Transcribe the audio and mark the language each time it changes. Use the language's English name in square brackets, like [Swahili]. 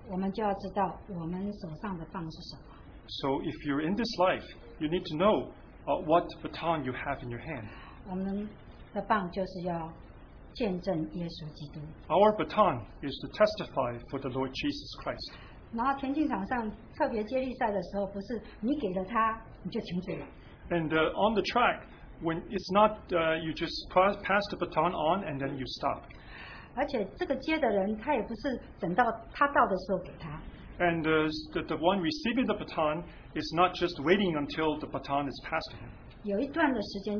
[Chinese] 所以首先我们还在这个世代我们就要知道我们手上的棒是什么。 [English] So if you're in this life, you need to know what baton you have in your hand. [Chinese] 我们的棒就是要见证耶稣基督。 [English] Our baton is to testify for the Lord Jesus Christ. [Chinese] 然后田径场上特别接力赛的时候，不是你给了他，你就停止了。 [English] And on the track, when it's not you just pass the baton on and then you stop. [Chinese] 而且这个接的人，他也不是等到他到的时候给他。 [English] And the one receiving the baton is not just waiting until the baton is passed to him.